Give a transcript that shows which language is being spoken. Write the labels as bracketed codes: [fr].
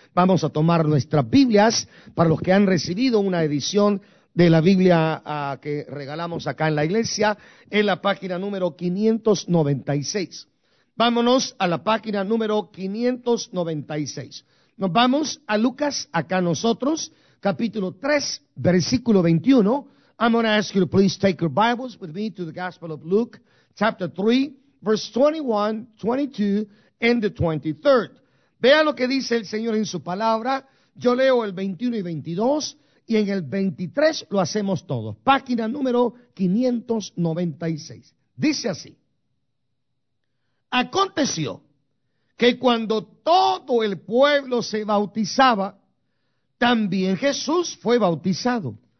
[es] Vamos a tomar nuestras Biblias. Para los que han recibido una edición de la Biblia que regalamos acá en la iglesia, en la página número 596. Vámonos a la página número 596. Nos vamos a Lucas, acá nosotros, capítulo 3, versículo 21. [en] I'm going to ask you to please take your Bibles with me to the Gospel of Luke, chapter 3, verse 21, 22, and the 23rd. [es] Vea lo que dice el Señor en su palabra. Yo leo el 21 y 22, y en el 23 lo hacemos todos. Página número 596. Dice así. Aconteció que cuando todo el pueblo se bautizaba, también Jesús fue bautizado.